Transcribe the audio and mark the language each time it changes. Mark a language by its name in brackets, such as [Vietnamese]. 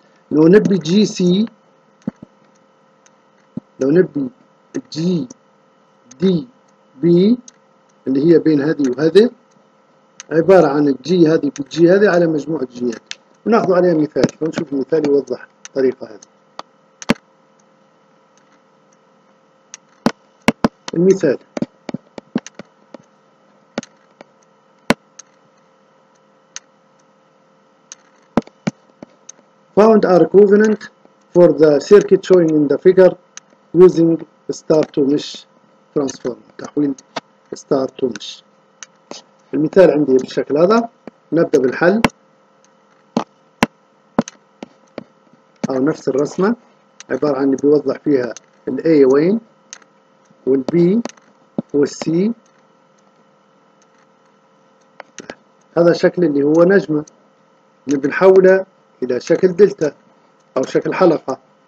[Arabic] لو نبي جي سي، لو نبي جي دي بي اللي هي بين هذه وهذه، عبارة عن الجي هذه بالجي هذه على مجموع الجيات، وناخذ عليها مثال ونشوف المثال يوضح الطريقة هذه. [English] المثال found are equivalent for the circuit showing in the figure using star to mesh transform، تحويل star to mesh. [Arabic] المثال عندي بالشكل هذا، نبدأ بالحل أو نفس الرسمة، عبارة عن بيوضح فيها الـ A وين والبي والسي، هذا شكل اللي هو نجمة اللي بنحوله إلى شكل دلتا أو شكل حلقة.